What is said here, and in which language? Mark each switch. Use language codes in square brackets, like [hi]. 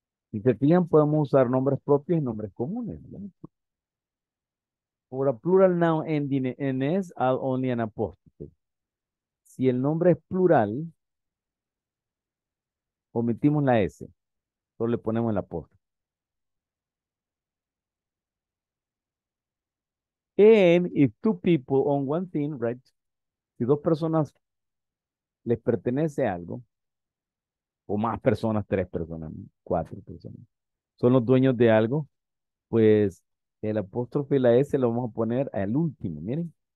[es] Si se fijan, podemos usar nombres propios y nombres comunes, right? [en] For a plural noun ending in S, add only an apostrophe. [es] Si el nombre es plural, omitimos la S, solo le ponemos el apóstrofe. [en] And if two people own one thing, right? [es] Si dos personas les pertenece algo, o más personas, tres personas, cuatro personas, son los dueños de algo, pues el apóstrofe y la S lo vamos a poner al último, miren.